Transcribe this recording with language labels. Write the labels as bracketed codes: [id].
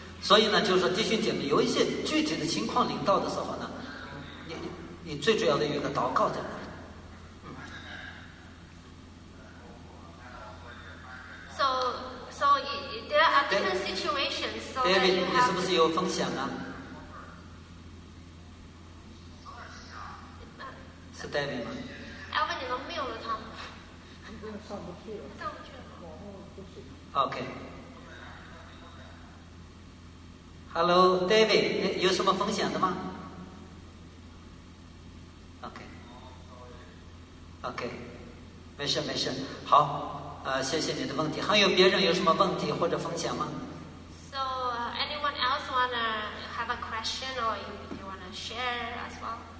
[zh] 所以呢，就是说弟兄姐妹，有一些具体的情况临到的时候呢，你最主要的有一个祷告在那里。 [en] So there are different situations. So David, that you have. [zh] 你是不是有风险啊？是 David 吗？ Alvin, 你能 mute 了他吗？上不去了。上不去了。 [en] OK. Hello, David. [zh] 有什么风险的吗 ？ [en] OK. OK. [zh] 没事没事。好，谢谢你的问题。还有别人有什么问题或者风险吗 [en] ？So anyone else wanna have a question or you wanna share as well?